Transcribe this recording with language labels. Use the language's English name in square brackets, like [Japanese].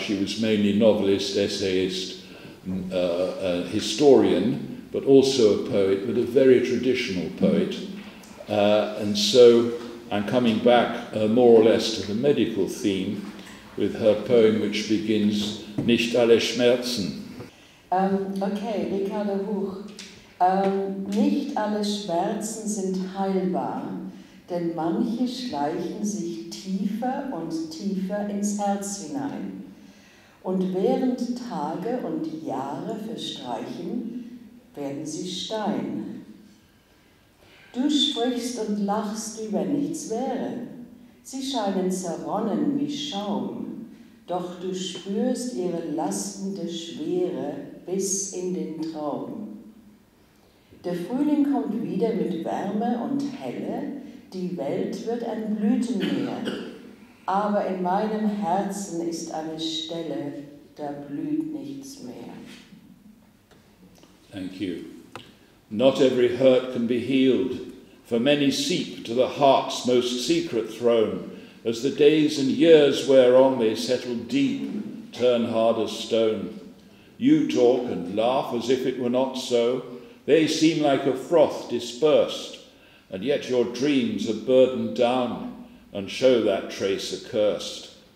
[English] She was mainly novelist, essayist, a historian, but also a poet, but a very traditional poet. And so I'm coming back more or less to the medical theme with her poem, which begins, [German] "Nicht alle Schmerzen." [English] Okay, Ricarda Huch. [German] Nicht alle Schmerzen sind heilbar, denn manche schleichen sich tiefer und tiefer ins Herz hinein. Und während Tage und Jahre verstreichen, werden sie Stein. Du sprichst und lachst, wie wenn nichts wäre. Sie scheinen zerronnen wie Schaum, doch du spürst ihre lastende Schwere bis in den Traum. Der Frühling kommt wieder mit Wärme und Helle, die Welt wird ein Blütenmeer, aber in meinem Herzen ist eine Stelle, da blüht nichts mehr. [English] Thank you. Not every hurt can be healed, for many seep to the heart's most secret throne, as the days and years wear on, they settle deep, turn hard as stone. You talk and laugh as if it were not so, they seem like a froth dispersed, and yet your dreams are burdened down and show that trace accursed.